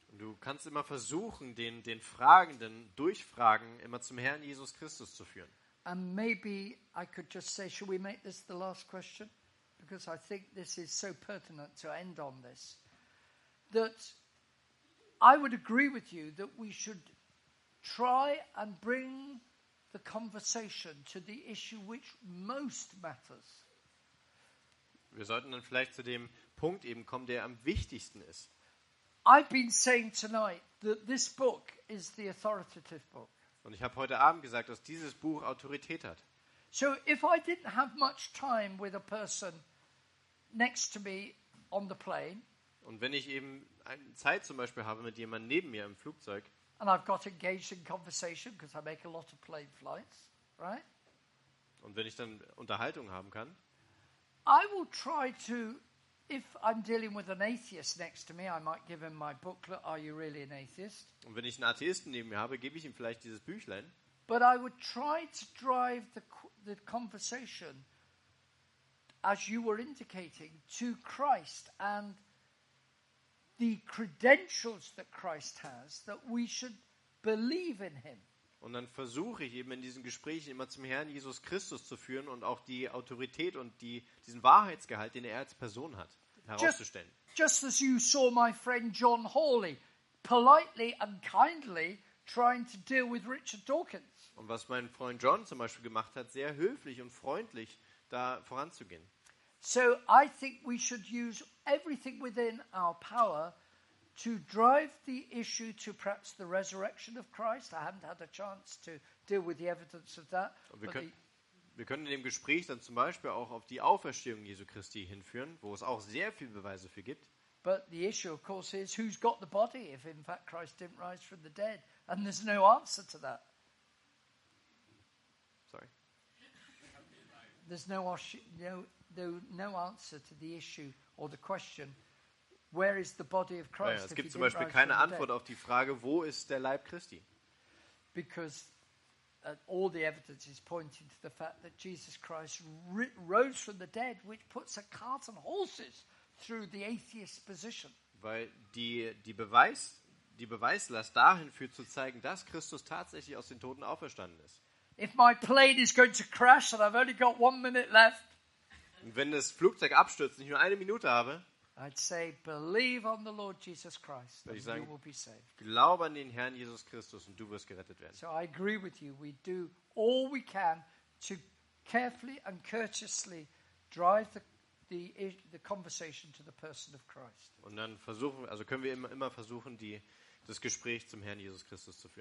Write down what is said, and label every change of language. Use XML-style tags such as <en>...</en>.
<de>Und du kannst immer versuchen, den Fragenden durchfragen, immer zum Herrn Jesus Christus zu führen.</de> <en>And maybe I could just say, should we make this the last question? Because I think this is so pertinent to end on this, that I would agree with you that we should try and bring the conversation to the issue which most matters.</en> <de>Wir sollten dann vielleicht zu dem Punkt eben kommen, der am wichtigsten ist.</de> <en>I've been saying tonight that this book is the authoritative book.</en> <de>Und ich habe heute Abend gesagt, dass dieses Buch Autorität hat.</de> <en>So if I didn't have much time with a person next to me on the plane.</en> <de>Und wenn ich eben Zeit zum Beispiel habe mit jemandem neben mir im Flugzeug.</de> <en>And I've got engaged in conversation because I make a lot of plane flights, right?</en> <de>Und wenn ich dann Unterhaltung haben kann.</de> <en>I will try to, if I'm dealing with an atheist next to me, I might give him my booklet, Are You Really an Atheist?</en> <de>Und wenn ich einen Atheisten neben mir habe, gebe ich ihm vielleicht dieses Büchlein.</de> <en>But I would try to drive the conversation, as you were indicating, to Christ and the credentials that Christ has, that we should believe in him.</en> <de>Und dann versuche ich eben in diesen Gesprächen immer zum Herrn Jesus Christus zu führen und auch die Autorität und diesen Wahrheitsgehalt, den als Person hat, herauszustellen.</de> <en>Just as you saw my friend John Hawley politely and kindly trying to deal with Richard Dawkins.</en> <de>Und was mein Freund John zum Beispiel gemacht hat, sehr höflich und freundlich da voranzugehen.</de> <en>So I think we should use everything within our power to drive the issue to perhaps the resurrection of Christ. I haven't had a chance to deal with the evidence of that.</en> <de>Wir können in dem Gespräch dann zum Beispiel auch auf die Auferstehung Jesu Christi hinführen, wo es auch sehr viele Beweise für gibt.</de> <en>But the issue, of course, is who's got the body if in fact Christ didn't rise from the dead? And there's no answer to that. Sorry. There's no answer to the issue or the question, where is the body of Christ?</en> <de>Naja, es gibt zum Beispiel keine Antwort auf die Frage, wo ist der Leib Christi?</de> <en>Because all the evidence is pointing to the fact that Jesus Christ rose from the dead, which puts a cart and horses through the atheist position.</en> <de>Weil die Beweislast dahin führt zu zeigen, dass Christus tatsächlich aus den Toten auferstanden ist.</de> <en>If my plane is going to crash and I've only got 1 minute left.</en> <de>Und wenn das Flugzeug abstürzt und ich nur eine Minute habe,</de> <en>I'd say, believe on the Lord Jesus Christ,</en> <de>würde ich sagen,</de> <en>you will be saved.</en> <de>Glaube an den Herrn Jesus Christus und du wirst gerettet werden.</de> <en>So I agree with you. We do all we can to carefully and courteously drive the conversation to the person of Christ.</en> <de>Und dann versuchen, also können wir immer versuchen, das Gespräch zum Herrn Jesus Christus zu führen.</de>